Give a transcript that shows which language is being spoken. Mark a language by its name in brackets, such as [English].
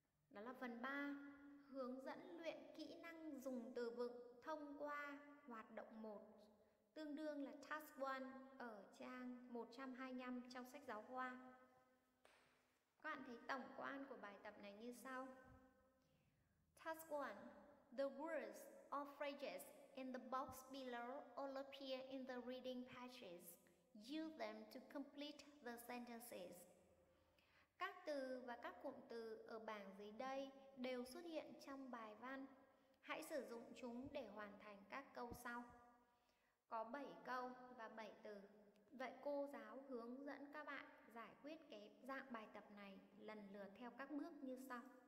[Vietnamese] Đó là phần 3, hướng dẫn luyện kỹ năng dùng từ vựng thông qua hoạt động 1, tương đương là task 1 ở trang 125 trong sách giáo khoa. Các bạn thấy tổng quan của bài tập này như sau. [English] Task 1. The words or phrases in the box below all appear in the reading patches. Use them to complete the sentences. [Vietnamese] Các từ và các cụm từ ở bảng dưới đây đều xuất hiện trong bài văn. Hãy sử dụng chúng để hoàn thành các câu sau. Có 7 câu và 7 từ. Vậy cô giáo hướng dẫn các bạn giải quyết cái dạng bài tập này lần lượt theo các bước như sau.